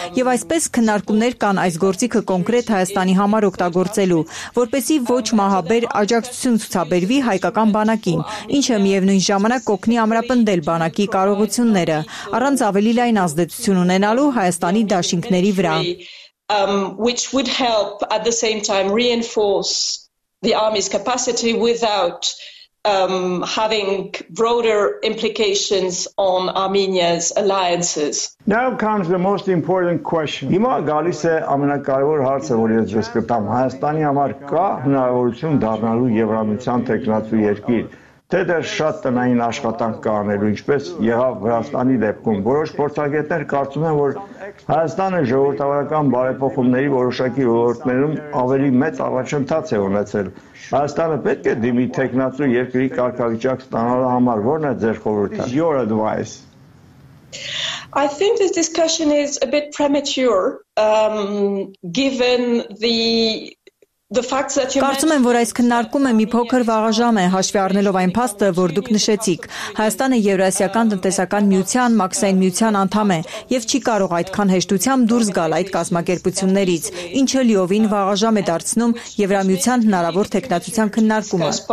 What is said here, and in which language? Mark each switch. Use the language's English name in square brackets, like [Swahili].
[Armenian] Եվ այսպես քննարկումներ կան այս գործիքը կոնկրետ Հայաստանի համար օգտագործելու, որպեսզի ոչ մահաբեր աջակցություն ցուցաբերվի հայկական բանակին, ինչը միևնույն ժամանակ կօգնի ամրապնդել բանակի կարողությունները, առանց ավելի լայն ազդեցություն ունենալու Հայաստանի դաշինքների վրա։ [English] Which would help at the same time reinforce the army's capacity without having broader implications on Armenia's alliances. Now comes the most important question. [Armenian] Հիմա գալիս է ամենակարևոր հարցը, որ ես ձեզ կտամ։ Հայաստանի համար կա հնարավորություն դառնալու Եվրամիության թեկնածու երկիր, թե դեռ շատ տնային աշխատանք կա անելու, ինչպես եղավ Վրաստանի դեպքում։ Որոշ փորձագետներ կարծում են, որ Հայաստանը ժողովրդավարական բարեփոխումների որոշակի ոլորտներում ավելի մեծ առաջընթաց է ունեցել։ Հայաստանը պետք է դիմի թեկնածու երկրի կարգավիճակ ստանալու համար, որն է ձեր խորհուրդը։ [English] Your advice. I think this discussion is a bit premature given the facts that you mentioned. [Armenian] Կարծում եմ, որ այս քննարկումը մի փոքր վաղաժամ է, հաշվի առնելով այն փաստը, որ դուք նշեցիք։ Հայաստանը Եվրասիական տնտեսական միության, մաքսային միության անդամ է եւ չի կարող այդքան հեշտությամբ դուրս գալ այդ կազմակերպություններից, ինչը լիովին վաղաժամ է դարձնում Եվրամիության հնարավոր թեկնածության քննարկումը։